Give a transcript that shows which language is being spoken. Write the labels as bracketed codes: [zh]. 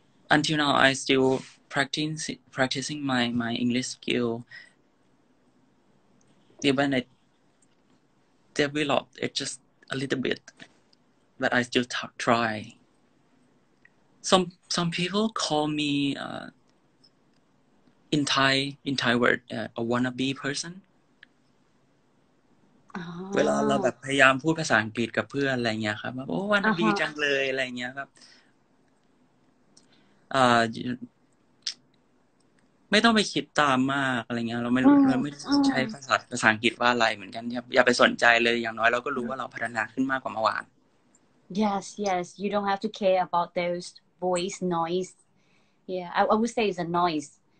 [en] Until now, I still practicing my English skill, even itDeveloped it just a little bit, but I still try. Some people call me in Thai word a wannabe person. [th] เวลาเราแบบพยายามพูดภาษาอังกฤษกับเพื่อนอะไรเงี้ยครับว่าโอ้ wannabe จังเลยอะไรเงี้ยครับไม่ต้องไปคิดตามมากอะไรเงี้ยเราไม่ใช้ภาษาอังกฤษว่าอะไรเหมือนกันอย่าไปสนใจเลยอย่างน้อยเราก็รู้ว่าเราพัฒนาขึ้นมากกว่าเมื่อวาน [en] yes you don't have to care about those voice noise yeah I would say it's a noise